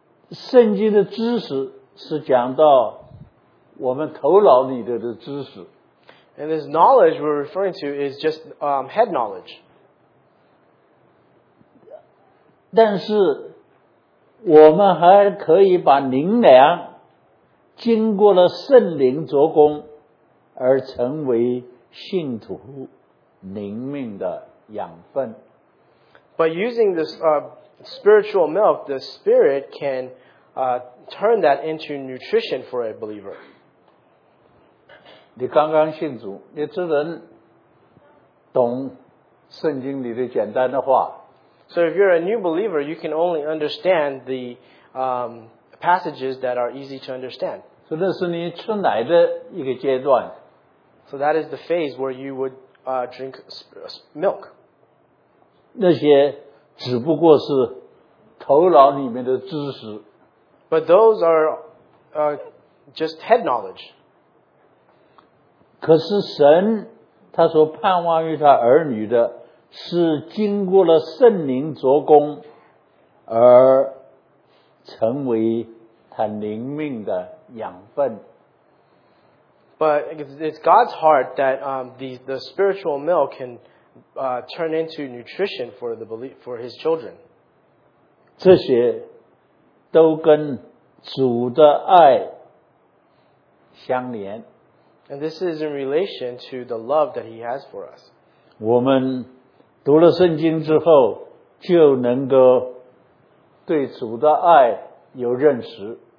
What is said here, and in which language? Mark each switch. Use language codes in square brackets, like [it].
[zh] 圣经的知识是讲到我们头脑里头的知识。 [en] And this knowledge we're referring to is just head knowledge. [zh] 但是我们还可以把灵粮经过了圣灵着工而成为信徒灵命的养分。 [en] But using this spiritual milk, the Spirit can turn that into nutrition for a believer. [zh] 你刚刚信主，你只能懂圣经里的简单的话。 [en] So if you're a new believer, you can only understand the passages that are easy to understand. [zh] So 那是你吃奶的一个阶段。 [en] So that is the phase where you would drink milk. [zh] 那些只不过是头脑里面的知识。 [en] But those are just head knowledge. [zh] 可是神他所盼望于他儿女的是经过了圣灵着工而成为他灵命的养分。 [en] But it's God's heart that the spiritual milk can turn into nutrition for his children. [zh] 这些都跟主的爱相连。 [en] And this is in relation to the love that he has for us. [zh] 我们读了圣经之后就能够对主的爱有认识。